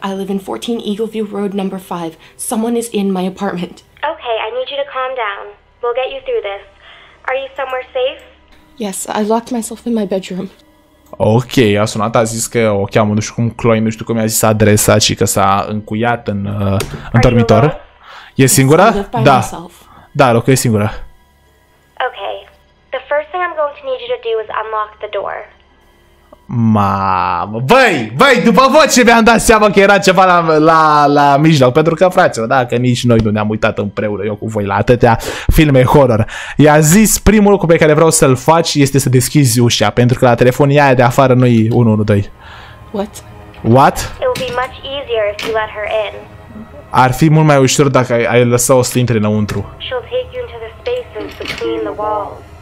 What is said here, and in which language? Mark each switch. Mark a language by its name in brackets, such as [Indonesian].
[English] I live in 14 Eagleview Road, number 5. Someone is in my apartment. Okay, I need you to calm down. We'll get you through this. Are you somewhere safe? Yes, I locked myself in my bedroom. [Romanian] Ok, a sunat, a zis că o cheamă, nu știu cum, Chloe, nu știu cum i-a zis adresa, ci că s-a încuiat în dormitor. E singura? Da. Da, loc e singura. Ok. [English] The first thing I'm going to need you to do is unlock the door. [Romanian] Mamă, băi, după voce mi-am dat seama că era ceva la mijloc, pentru că, fraților, da, că nici noi nu ne-am uitat împreună, eu cu voi, la atâtea filme horror. I-a zis, primul lucru pe care vreau să-l faci este să deschizi ușa, pentru că la telefonia aia de afară nu-i 112. [English] What? It will be much easier if you let her in. [Romanian] Ar fi mult mai ușor dacă ai lăsa-o să intre înăuntru. [English] She'll take you into the spaces between the walls.